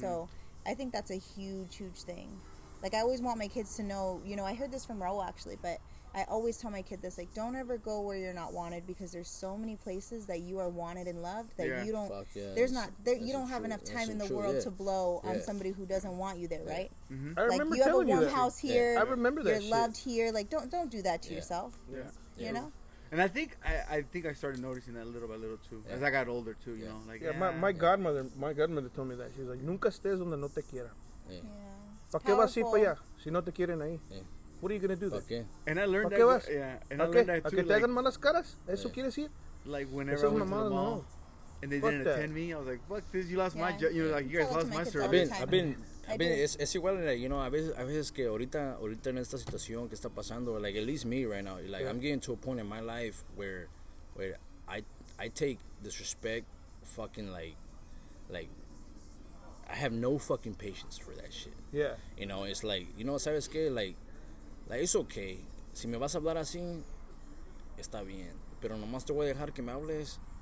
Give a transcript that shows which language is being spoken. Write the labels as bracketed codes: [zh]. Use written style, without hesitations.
[en] So I think that's a huge thing. Like I always want my kids to know, you know, I heard this from Raul actually, but I always tell my kid this, like, don't ever go where you're not wanted, because there's so many places that you are wanted and loved that you don't you don't have enough time in the world to blow on somebody who doesn't want you there, right? Mm-hmm. Like you have a warm house here, I remember that you're shit. Loved here, like don't do that to yourself. Yeah. You know? And I think I think I started noticing that little by little too, as I got older too, you know. Like my godmother told me that. She was like, [es] "Nunca estés donde no te quieran." [en] Yeah. [es] ¿Para qué vas ir para allá si no te quieren ahí? [en] What are you gonna do there? Okay. And I learned that. And I learned that too. [es] ¿A que te hagan malas caras? ¿Eso quiere decir? [en] Like whenever I went to the mall, and they didn't attend me, I was like, "Fuck this! You lost my job. You know, like you guys lost my service." I've been. It's igual, like, you know. [es] A veces que ahorita en esta situación que está pasando, [en] like at least me right now, like I'm getting to a point in my life where I take disrespect, fucking like I have no fucking patience for that shit. Yeah. You know, it's like, you know, [es] sabes que [en] like it's okay. [es] Si me vas a hablar así, está bien. Pero nomás te voy a dejar que me hables.